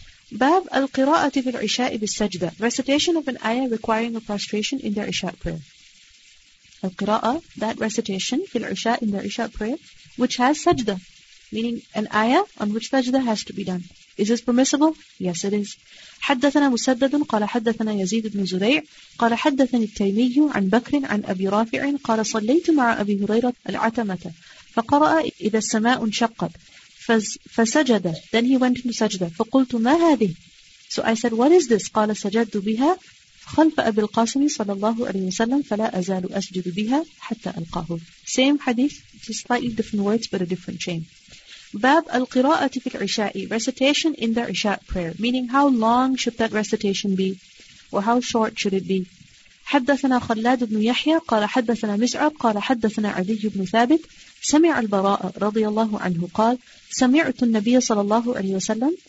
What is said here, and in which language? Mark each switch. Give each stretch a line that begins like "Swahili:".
Arabic: Bab al-qira'ati fil isha'i bis-sajda.
English: Recitation of an ayah requiring a prostration in their isha' prayer. Al-qira'a, that recitation, fil isha' in their isha' prayer, which has sajda, meaning an ayah on which sajda has to be done. Is this permissible? Yes, it is.
Arabic: حدثنا مسدد قال حدثنا يزيد بن زريع قال حدثني التيمي عن بكر عن أبي رافع قال صليت مع أبي هريرة العتمة فقرأ إذا السماء انشقت فسجد.
English: Then he went into سجدة.
Arabic: فقلت ما هذه؟
English: So I said, what is this?
Arabic: قال سجدت بها خلف أبي القاسم صلى الله عليه وسلم فلا أزال أسجد بها حتى ألقاه.
English: Same hadith, just slightly different words but a different chain.
Arabic: Bab al-qira'ati fil isha'i,
English: recitation in the isha' prayer, meaning how long should that recitation be, or how short should it be.
Arabic: حدثنا خلاد بن يحيى قال حدثنا مسعب قال حدثنا علي بن ثابت سمع البراء رضي الله عنه قال سمعت النبي صلى الله عليه وسلم.